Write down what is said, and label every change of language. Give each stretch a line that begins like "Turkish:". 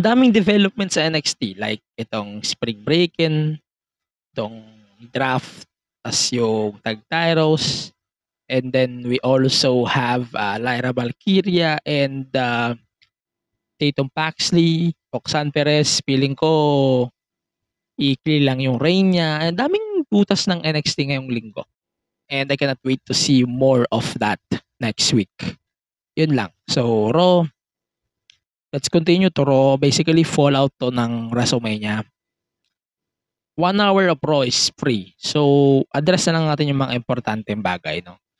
Filipino: Ang daming developments sa NXT. Like, itong spring break-in, itong draft, tas yung tag titles.
English: And then, we also have Lyra Valkyria and Tatum Paxley, Roxanne Perez.
Filipino: Feeling ko, ikli lang yung reign niya. Ang daming butas ng NXT ngayong linggo.
English: And I cannot wait to see more of that next week.
Filipino: Yun lang.
English: So, Raw, let's continue to Raw. Basically, fallout to ng WrestleMania. 1 hour of Raw is free.
Filipino: So, address na lang natin yung mga importanteng bagay, no?